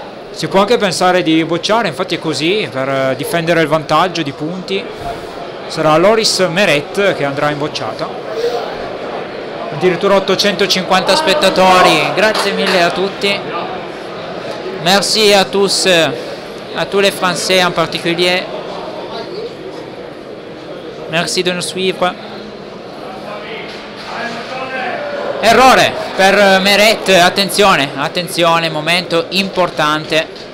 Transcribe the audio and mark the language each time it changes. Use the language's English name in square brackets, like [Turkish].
[Italian] Si può anche pensare di bocciare, infatti è così, per difendere il vantaggio di punti. Sarà Loris Meret che andrà in bocciata. Addirittura 850 spettatori, grazie mille a tutti. [French] Merci a tous. A tous les Français en particulier, merci de nous suivre. [Italian] Errore per Meret, attenzione, momento importante.